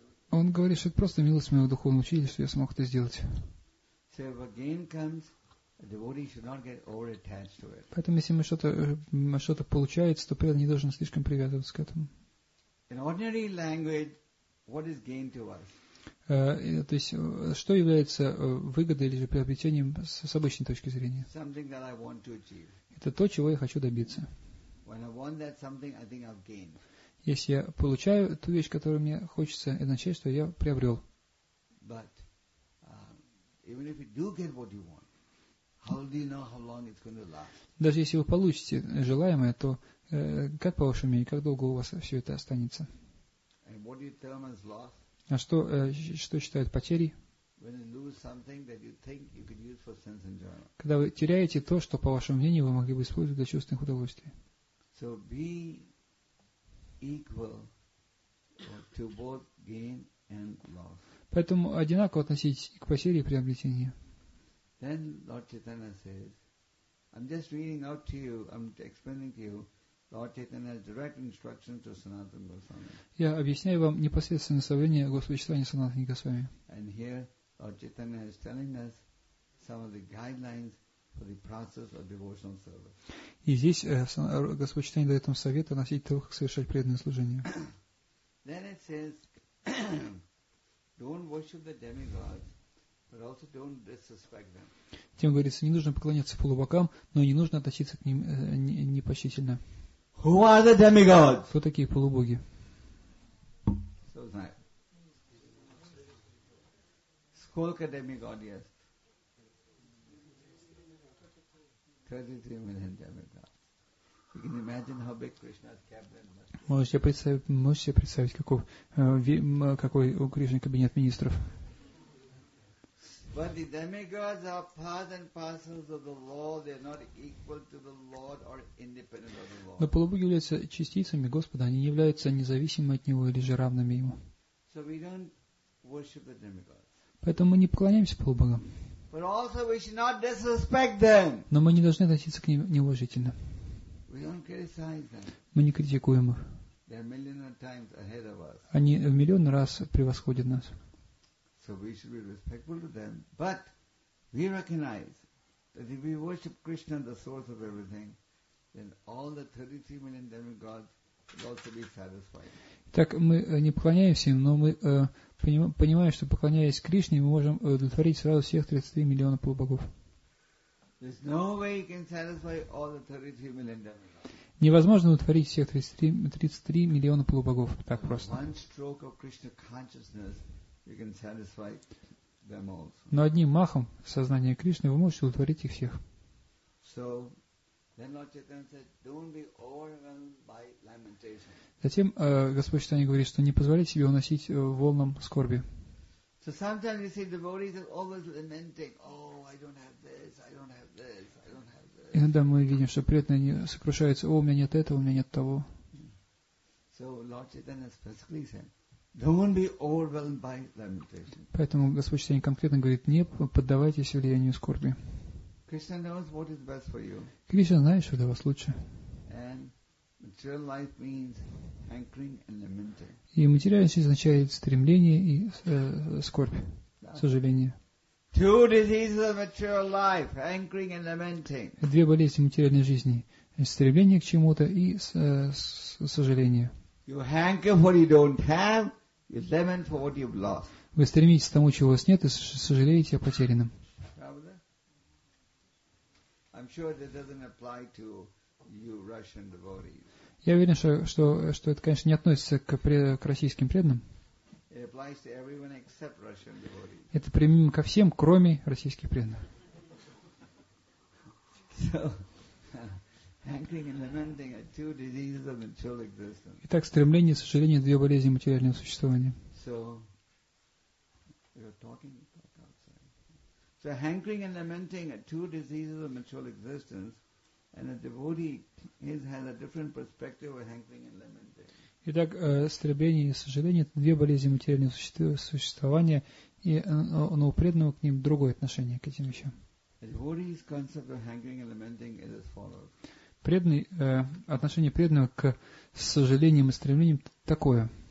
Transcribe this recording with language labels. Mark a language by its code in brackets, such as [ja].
[ru] Он говорит, что это просто милость моего духовного учителя, что я смог это сделать. Поэтому, если мы что-то получается, то преданный не должен слишком привязываться к этому. [en] In ordinary language, what is gain to us? [ru] То есть, что является выгодой или же приобретением с обычной точки зрения? [en] Something that I want to achieve. [ru] Это то, чего я хочу добиться. [en] When I want that something, I think I've gained. [ru] Если я получаю ту вещь, которую мне хочется, это означает, что я приобрел. [en] But even if you do get what you want, how do you know how long it's going to last? [ru] Даже если вы получите желаемое, то как по вашему мнению, как долго у вас все это останется? [en] And what do you term as loss? [ru] А что считают потерей? [en] When you lose something that you think you could use for sense enjoyment. [ru] Когда вы теряете то, что по вашему мнению вы могли бы использовать для чувственных удовольствий. [en] So be equal to both gain and loss. [ru] Поэтому одинаково относитесь и к потере, и приобретению. [en] Then Lord Chaitanya says, I'm just reading out to you, I'm explaining to you Lord Chaitanya's direct instructions to Sanatana Goswami. [ru] Я объясняю вам непосредственно наставление Господа Чайтаньи Санатана Госвами. [en] And here Lord Chaitanya is telling us some of the guidelines for the process of devotional service. [ru] И здесь Господь Чайтанья дает нам совет относительно того, как совершать преданное служение. [en] Then it says, don't worship the demigods, but also don't disrespect them. [ru] Тем говорится, не нужно поклоняться полубогам, но и не нужно относиться к ним непочтительно. [en] Who are the demigods? [ru] Кто такие полубоги? So знает. Сколько demigod есть? [en] 33 million demigods. You can imagine how big Krishna's cabinet must be. [ru] Можете себе представить, какой у Кришны кабинет министров? [en] But the demigods are part and parcels of the Lord. They are not equal to the Lord or independent of the Lord. [ru] Но полубоги являются частицами Господа. Они не являются независимы от Него или же равными Ему. [en] So we don't worship the demigods. [ru] Поэтому мы не поклоняемся полубогам. [en] But also we should not disrespect them. [ru] Но мы не должны относиться к ним неуважительно. [en] We don't criticize them. [ru] Мы не критикуем их. [en] They are million times ahead of us. [ru] Они в миллион раз превосходят нас. [en] So we should be respectful to them, but we recognize that if we worship Krishna, the source of everything, then all the 33 million demigods will also be satisfied. [ru] Так мы не поклоняемся им, но мы понимаем, что поклоняясь Кришне, мы можем удовлетворить сразу всех 33 миллиона полубогов. [en] There's no way you can satisfy all the 33 million demigods. [ru] Невозможно удовлетворить всех 33 миллиона полубогов так просто. [en] One stroke of Krishna consciousness. You can satisfy them also. [ru] Но одним махом сознания Кришны вы можете удовлетворить их всех. [en] So, then Lord Chaitanya said, don't be overwhelmed by lamentation. [ru] Затем Господь Чайтанья говорит, что не позволяйте себе уносить волнам скорби. [en] So sometimes you see devotees are always lamenting, oh, I don't have this, I don't have this, I don't have this. [ru] Иногда мы видим, что преданные они сокрушаются, о, у меня нет этого, у меня нет того. [en] So Lord Chaitanya specifically said, don't be overwhelmed by lamentation. [ru] Поэтому Господь Чайтанья конкретно говорит, не поддавайтесь влиянию скорби. [en] Krishna knows what is best for you. [ru] Кришна знает, что для вас лучше. [en] And material life means hankering and lamenting. [ru] И материальность означает стремление и скорбь, сожаление. [en] Two diseases of material life, hankering and lamenting. [ru] Две болезни материальной жизни, стремление к чему-то и сожаление. [en] You hanker what you don't have, you lament for what you've lost. [ru] Вы стремитесь к тому, чего у вас нет, и сожалеете о потерянном. [en] I'm sure that doesn't apply to you Russian devotees. [ru] Я уверен, что это, конечно, не относится к российским преданным. [en] It applies to everyone except Russian devotees. [ru] Это применимо ко всем, кроме российских преданных. [en] So, hankering and lamenting are two diseases of material existence. [ru] Итак, стремление и сожаление — две болезни материального существования. [en] So, You're talking to talk outside. So hankering and lamenting are two diseases of material existence, and a devotee has a different perspective of hankering and lamenting. [ru] Итак, стремление и сожаление – это две болезни материального существования, и у преданного к ним другое отношение к этим вещам. Отношение преданного к сожалению и стремлению такое.